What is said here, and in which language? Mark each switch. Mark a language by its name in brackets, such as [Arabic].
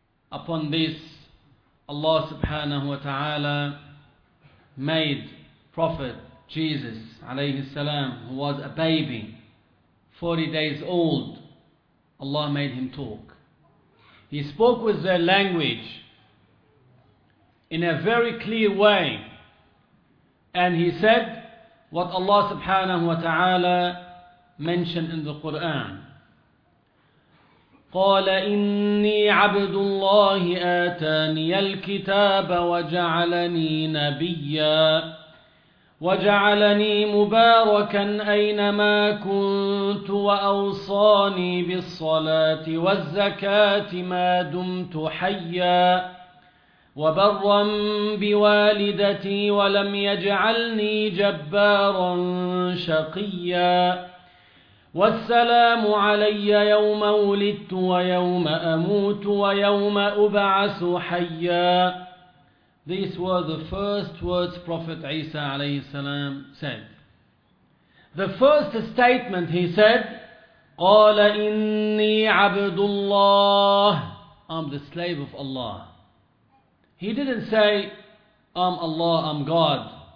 [English] Upon this, Allah subhanahu wa ta'ala made Prophet Jesus alayhi salam, who was a baby, 40 days old, Allah made him talk. He spoke with their language in a very clear way, and he said what Allah subhanahu wa ta'ala mentioned in the Quran. [Arabic] قال إني عبد الله آتاني الكتاب وجعلني نبيا وجعلني مباركا أينما كنت وأوصاني بالصلاة والزكاة ما دمت حيا وَبَرًّا بِوَالِدَتِي وَلَمْ يَجْعَلْنِي جَبَّارًا شَقِيًّا وَالسَّلَامُ عَلَيَّ يَوْمَ وُلِدْتُ وَيَوْمَ أَمُوتُ وَيَوْمَ أُبْعَثُ حَيًّا. [English] These were the first words Prophet Isa alayhi salam said. The first statement he said, [Arabic] قَالَ إِنِّي عَبْدُ اللَّهِ. [English] I'm the slave of Allah. He didn't say, I'm Allah, I'm God.